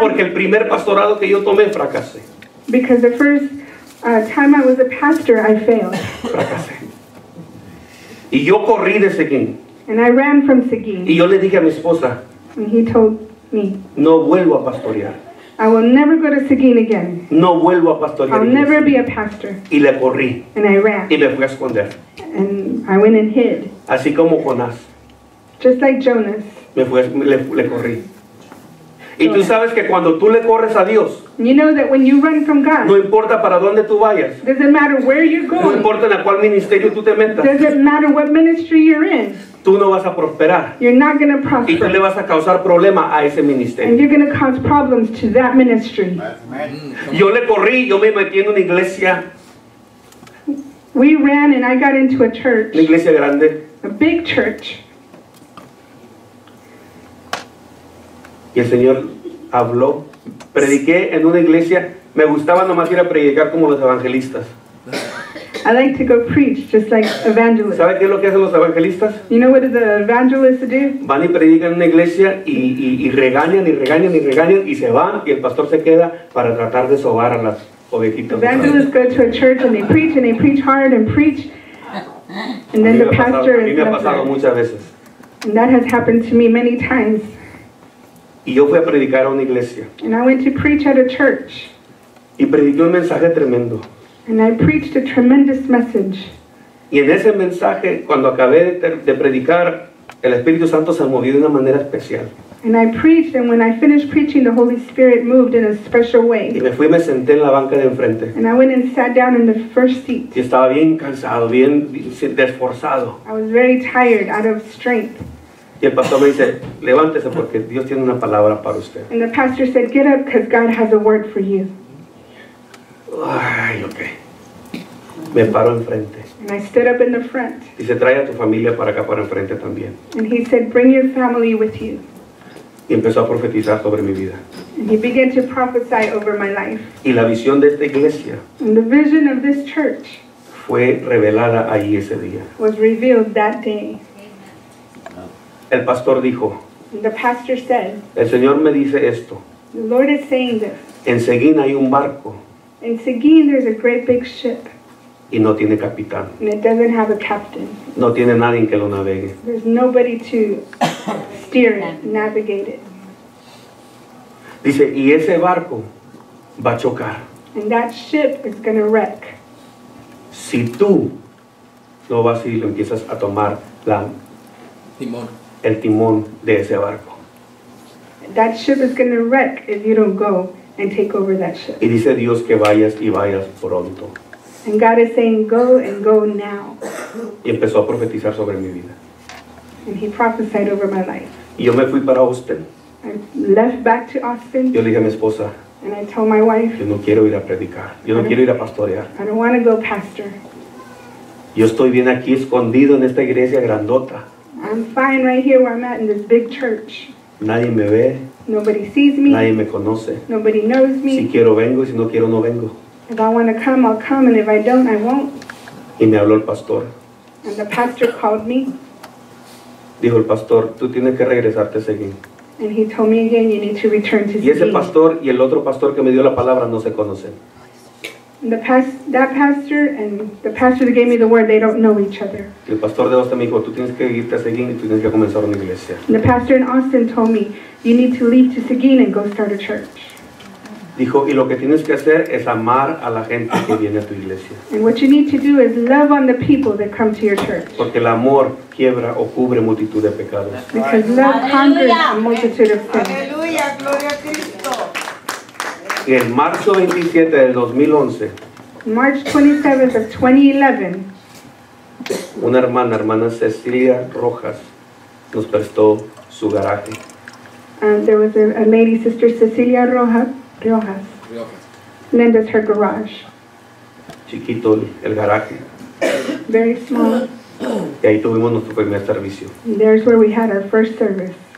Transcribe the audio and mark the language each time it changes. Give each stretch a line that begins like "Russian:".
Spanish: Porque el primer pastorado que yo tomé fracasé.
English: Because the first time I was a pastor, I failed.
Spanish: Fracasé. Y yo corrí de Seguín.
English: And I ran from Seguín.
Spanish: Y yo le dije a mi esposa.
English: And he told me.
Spanish: No vuelvo a pastorear.
English: I will never go to Seguín again.
Spanish: No vuelvo a pastorear.
English: I'll never be a pastor.
Spanish: Y le corrí.
English: And I ran.
Spanish: Y me fui a esconder.
English: And I went and hid.
Spanish: Así como Jonás.
English: Just like Jonas.
Spanish: Le corrí. Y tú sabes que cuando tú le corres a Dios,
English: you know that when you run from God,
Spanish: no importa para dónde tú vayas,
English: doesn't matter where you're going,
Spanish: no importa en a cuál ministerio tú te metas,
English: doesn't matter what ministry you're in,
Spanish: tú no vas a prosperar.
English: You're not going to prosper.
Spanish: Y tú le vas a causar problema a ese ministerio.
English: And you're going to cause problems to that ministry.
Spanish: Yo le corrí, yo me metí en una iglesia.
English: We ran and I got into a church.
Spanish: Una iglesia grande.
English: A big church.
Spanish: Y el Señor habló, prediqué en una iglesia, me gustaba nomás ir a predicar como los evangelistas.
English: I like to go preach just like evangelists.
Spanish: ¿Sabe qué es lo que hacen los evangelistas?
English: You know what the evangelists do?
Spanish: Van y predican en una iglesia y regañan y regañan y regañan y se van y el pastor se queda para tratar de sobar a las ovejitas.
English: Evangelists go to a church and they preach hard and preach and then the pastor is.
Spanish: A mí me ha pasado muchas veces.
English: And that has happened to me many times.
Spanish: Y yo fui a predicar a una iglesia.
English: And I went to preach at a church.
Spanish: Y prediqué un mensaje tremendo.
English: And I preached a tremendous message.
Spanish: Y en ese mensaje, cuando acabé de predicar, el Espíritu Santo se movió de una manera especial.
English: And I preached, and when I finished preaching, the Holy Spirit moved in a special way.
Spanish: Y me fui y me senté en la banca de enfrente.
English: And I went and sat down in the first seat.
Spanish: Y estaba bien cansado, bien desforzado.
English: I was very tired, out of strength.
Spanish: Y el pastor me dice, levántese porque Dios tiene una palabra para usted.
English: And the pastor said, get up because God has a word for you.
Spanish: Ay,
English: okay.
Spanish: Me paro enfrente.
English: And I stood up in the front.
Spanish: Dice, trae a tu familia para acá para enfrente también.
English: And he said, bring your family with you.
Spanish: Y empezó a profetizar sobre mi vida.
English: And he began to prophesy over my life.
Spanish: Y la visión de esta iglesia.
English: And the vision of this church.
Spanish: Fue revelada allí ese día.
English: Was revealed that day.
Spanish: El pastor dijo,
English: the pastor said,
Spanish: el Señor me dice esto.
English: The Lord is saying this.
Spanish: En Seguín hay un barco.
English: In Seguín there's a great big ship.
Spanish: Y no tiene capitán.
English: And it doesn't have a captain.
Spanish: No tiene nadie que lo navegue.
English: There's nobody to steer it, navigate it.
Spanish: Dice, y ese barco, va a chocar.
English: And that ship is going to wreck.
Spanish: Si tú no vas y lo empiezas a tomar la, timón. El timón de ese barco.
English: That ship is going to wreck if you don't go and take over that ship.
Spanish: Y dice Dios que vayas y vayas pronto.
English: And God is saying go and go now.
Spanish: Y empezó a profetizar sobre mi vida.
English: And he prophesied over my life.
Spanish: Y yo me fui para Austin.
English: I left back to Austin.
Spanish: Yo le dije a mi esposa.
English: And I told my wife.
Spanish: Yo no quiero ir a predicar. Yo no quiero ir a pastorear.
English: I don't want to go pastor.
Spanish: Yo estoy bien aquí escondido en esta iglesia grandota.
English: I'm fine right here where I'm at in this big church.
Spanish: Nadie me ve.
English: Nobody sees me.
Spanish: Nadie me conoce.
English: Nobody knows me.
Spanish: Si quiero vengo y si no quiero no vengo.
English: If I want to come, I'll come, and if I don't, I won't.
Spanish: Y me habló el pastor.
English: And the pastor called me.
Spanish: Dijo el pastor, tú tienes que regresarte a seguir.
English: And he told me again, you need to return to
Spanish: seguir. Y ese pastor y el otro pastor que me dio la palabra no se conocen.
English: That pastor and the pastor that gave me the word, they don't know each other.
Spanish: El pastor de Austin me dijo, tú tienes que irte a seguir y tú tienes que comenzar una iglesia.
English: And the pastor in Austin told me, you need to leave to Seguin and go start a church.
Spanish: Dijo, y lo que tienes que hacer es amar a la gente que viene a tu iglesia.
English: And what you need to do is love on the people that come to your church.
Spanish: Porque el amor quiebra o cubre multitud de pecados.
English: Because love conquers a multitude of sins.
Spanish: Aleluya, gloria a Cristo. Y en marzo 27 del 2011.
English: March 27th of 2011.
Spanish: Una hermana Cecilia Rojas, nos prestó su garaje.
English: And there was a lady, Sister Cecilia Rojas. Lend us her garage.
Spanish: Chiquito el garaje.
English: Very small.
Spanish: Y ahí tuvimos nuestro primer servicio.
English: And there's where we had our first service.